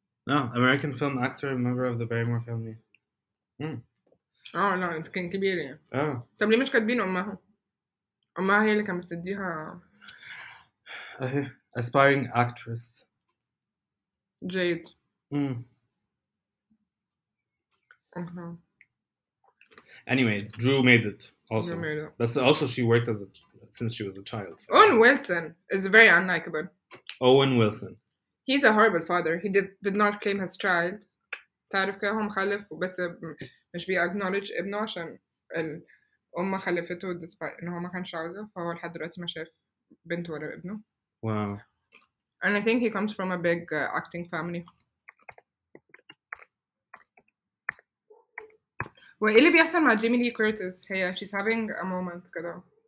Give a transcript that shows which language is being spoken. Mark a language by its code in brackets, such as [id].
[en] No, American film actor and member of the Barrymore family. Oh no, it's [ar] كان كبير يعني. [en] Oh. [ar] طب ليه مش كاتبين أمها؟ أمها هي اللي كانت بتديها. [en] Aspiring actress. Jade. Anyway, Drew made it also. But also she worked as a since she was a child. Owen Wilson is very unlikable. Owen Wilson. He's a horrible father. He did not claim his child. [ar] تعرف كده هو مخلف بس مش بيأكنولج ابنه عشان الأم خلفته despite إنه هو ما كانش عاوزه, فهو لحد دلوقتي ما شاف بنته ولا ابنه. واو. [en] And I think he comes from a big acting family. [ar] وإيه اللي بيحصل مع جيمي لي كورتيس؟ هي [en] she's having a moment [ar] كده.